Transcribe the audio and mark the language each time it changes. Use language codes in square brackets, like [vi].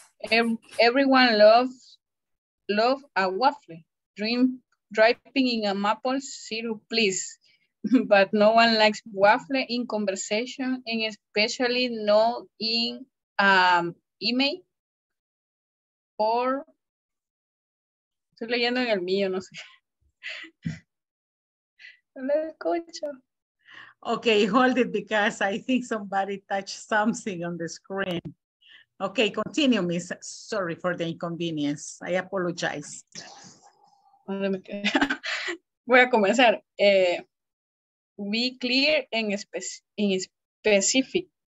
[en] Everyone loves a waffle. Driving in a maple syrup, please. But no one likes waffle in conversation, and especially not in email. [es] Or, estoy leyendo en el mío, no sé. No escucho. [en] Okay, hold it because I think somebody touched something on the screen. Okay, continue, Miss. Sorry for the inconvenience. I apologize. [es] Voy a comenzar. [en] Be clear and specific.